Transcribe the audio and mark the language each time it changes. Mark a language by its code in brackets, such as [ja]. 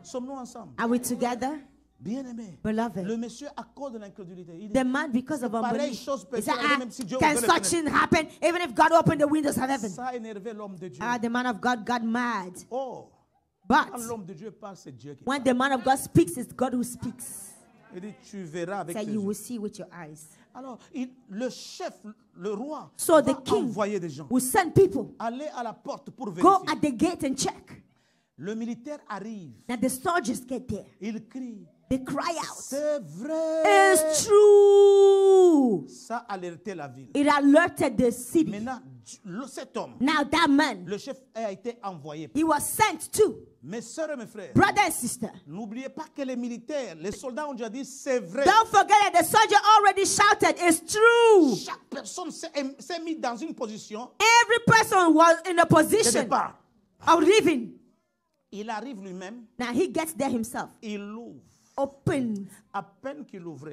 [fr] Sommes-nous ensemble? [en] Are we together? [fr] Bien-aimé. [en] Beloved. [fr] Le monsieur à cause de l'incrédulité. [en] The man because of unbelief. [fr] Pareille chose peut arriver même si Dieu [en] can such thing happen even if God opened the windows of heaven? [fr] Ça a énervé l'homme de Dieu. [en] The man of God got mad. Oh. But [fr] quand l'homme de Dieu parle, c'est Dieu qui [en] when the man of God speaks, it's God who speaks. [fr] Il dit, tu verras avec [en] so [fr] tes [en] you [fr] yeux. [en] Will see with your eyes. [fr] Alors, il, le chef, le roi, [en] so the king [fr] envoyer des gens. [en] Will send people. [fr] Aller à la porte pour [en] go [fr] vérifier. [en] At the gate and check. [fr] Le militaire arrive. [en] Now the soldiers get there. [fr] Il crie. [en] They cry out. [fr] C'est vrai. [en] It's true. [fr] Ça a alerté la ville. [en] It alerted the city. [fr] Maintenant, cet homme, [en] now that man. [fr] Le chef a été envoyé. [en] He was sent to. [fr] Mes sœurs et mes frères. [en] Brother and sister. [fr] N'oubliez pas que les militaires, les soldats ont déjà dit c'est vrai. [en] Don't forget that the soldier already shouted it's true. [fr] Chaque personne s'est mis dans une position. [en] Every person was in a position. [fr] De départ. [en] Of leaving. [fr] Il arrive lui-même. [en] Now he gets there himself. [fr] Il ouvre. [en] Open. [fr] À peine qu'il ouvrait,